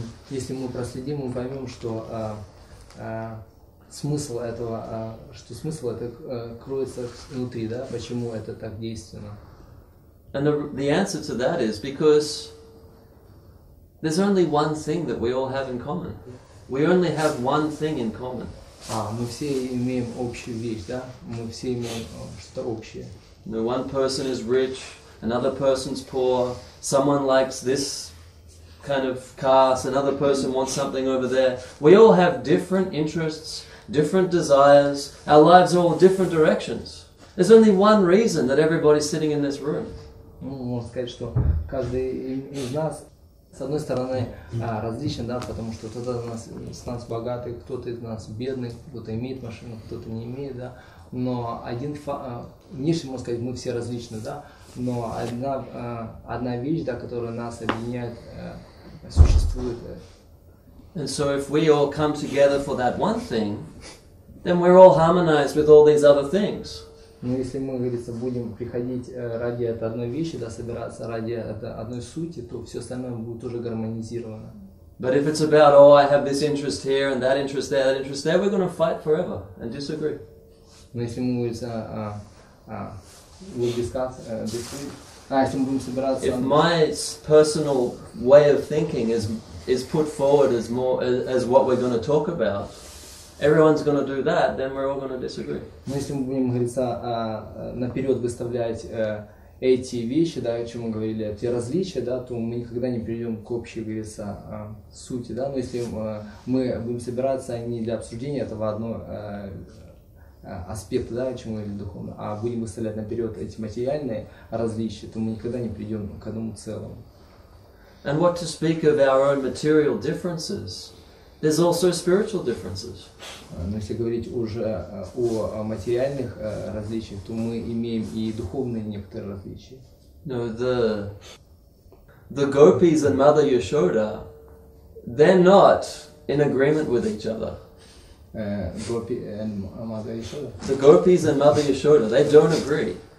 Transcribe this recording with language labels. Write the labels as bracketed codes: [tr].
[ru] Если мы проследим, мы поймем, что смысл этого, что смысл это кроется внутри, да? Почему это так действенно? [en] And the answer to that is because there's only one thing that we all have in common. We only have one thing in common. [ru] Мы все имеем общую вещь, да? Мы все имеем что-то общее. [en] No, one person is rich, another person's poor. Someone likes this kind of caste, another person wants something over there. We all have different interests, different desires. Our lives are all different directions. There's only one reason that everybody's sitting in this room. [ru] Можно сказать, что каждый из нас, с одной стороны, различен, да, потому что кто-то из нас богатый, кто-то из нас бедный, кто-то имеет машину, кто-то не имеет, да. Но один внешне можно сказать, мы все различны, да. Но одна вещь, да, которая нас объединяет, существует. [en] And so if we all come together for that one thing, then we're all harmonized with all these other things. [ru] Но если мы, говорится, будем приходить ради этой одной вещи, да, собираться ради этой одной сути, то все остальное будет уже гармонизировано. [en] But if it's about, oh, I have this interest here and that interest there, we're going to fight forever and disagree. [ru] Но если мы, говорится, [en] we'll discuss, [ru] если мы будем собираться... [en] If my personal way of thinking is put forward as more as what we're going to talk about, everyone's going to do that, then we're all going to disagree. [ru] Но если мы будем, говорится, наперед выставлять эти вещи, да, о чем мы говорили, эти различия, да, то мы никогда не придем к общей, говорится, сути, да. Но если мы будем собираться не для обсуждения этого одного аспекта, да, о чем мы говорили духовно, а будем выставлять наперед эти материальные различия, то мы никогда не придем к одному целому. [en] And what to speak of our own material differences? There's also spiritual differences. [ru] Но если говорить уже о материальных различиях, то мы имеем и духовные некоторые различия. [en] No, the gopis and Mother Yashoda, they're not in agreement with each other. Gopi and Mother Yashoda. The gopis and Mother Yashoda, they don't agree.